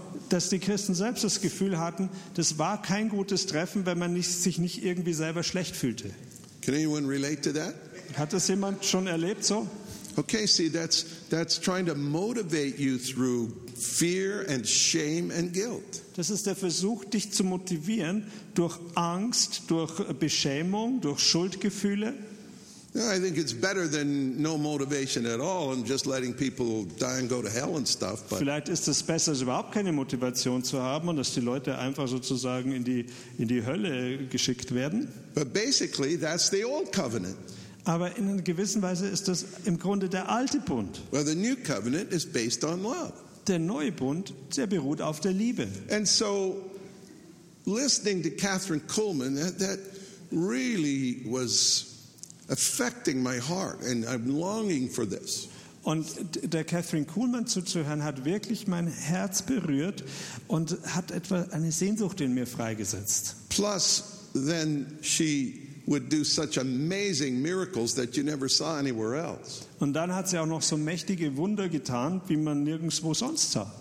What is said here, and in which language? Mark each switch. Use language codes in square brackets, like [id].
[de] Dass die Christen selbst das Gefühl hatten, das war kein gutes Treffen, wenn man sich nicht irgendwie selber schlecht fühlte. [en] Can anyone relate to that? [de] Hat das jemand schon erlebt so? [en] Okay, see, that's trying to motivate you through fear and shame and guilt. [de] Das ist der Versuch, dich zu motivieren durch Angst, durch Beschämung, durch Schuldgefühle. [en] I think it's better than no motivation at all and just letting people die and go to hell and stuff. But [de] vielleicht ist es besser, als überhaupt keine Motivation zu haben und dass die Leute einfach sozusagen in die Hölle geschickt werden. [en] But basically, that's the old covenant. [de] Aber in einer gewissen Weise ist das im Grunde der alte Bund. [en] Well, the new covenant is based on love. [de] Der neue Bund, der beruht auf der Liebe. [en] And so, listening to Catherine Kuhlman, that really was affecting my heart, and I'm longing for this. [de] Und der Catherine Kuhlman zuzuhören hat wirklich mein Herz berührt und hat etwa eine Sehnsucht in mir freigesetzt. [en] Plus, then she would do such amazing miracles that you never saw anywhere else. [de] Und dann hat sie auch noch so mächtige Wunder getan, wie man nirgendwo sonst sah.